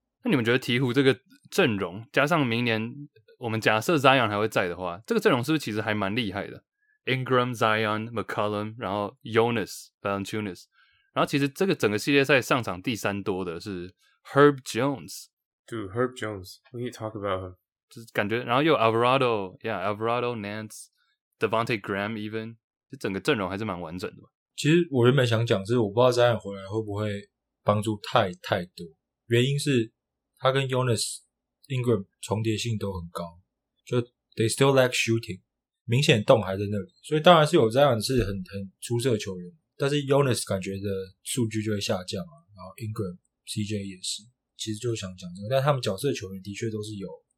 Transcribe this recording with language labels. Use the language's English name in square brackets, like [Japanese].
[Chinese] 那你们觉得鹈鹕这个阵容加上明年我们假设 Zion 还会在的话，这个阵容是不是其实还蛮厉害的？ Ingram、 Zion、 McCollum， 然后 Jonas Valanciunas， 然后其实这个整个系列赛上场第三多的是 Herb Jones。 [English] Dude， Herb Jones， we need to talk about him， [Chinese] 就是感觉，然后又有 Alvarado， yeah， Alvarado， Nance， Devontae Graham， even 这整个阵容还是蛮完整的。其实我原本想讲是，我不知道 Zion 回来会不会帮助太多，原因是他跟 Jonas Ingram 重叠性都很高，就 [English] they still lack shooting， [Chinese] 明显洞还在那里，所以当然是有 Zion 是很出色的球员，但是 Jonas 感觉的数据就会下降啊，然后 Ingram CJ 也是，其实就想讲这个，但他们角色球员的确都是有，